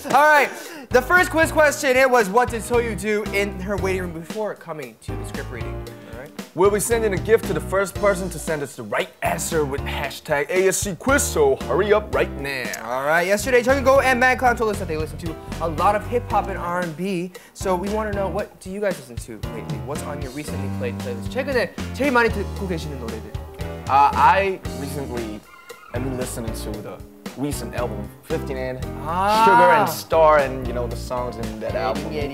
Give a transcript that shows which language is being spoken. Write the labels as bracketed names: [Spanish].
[English] Alright, the first quiz question, it was what did Soyu do in her waiting room before coming to the script reading? We'll be sending a gift to the first person to send us the right answer with hashtag ASCQuiz, so hurry up right now. Alright, yesterday, Jungkook and Madcloud told us that they listen to a lot of hip-hop and R&B, so we want to know, what do you guys listen to lately? What's on your recently played playlist? [Korean] 최근에 제일 많이 듣고 계시는 노래들. [English] I recently am listening to the recent album, 15N, Sugar and Star, and you know, the songs in that album.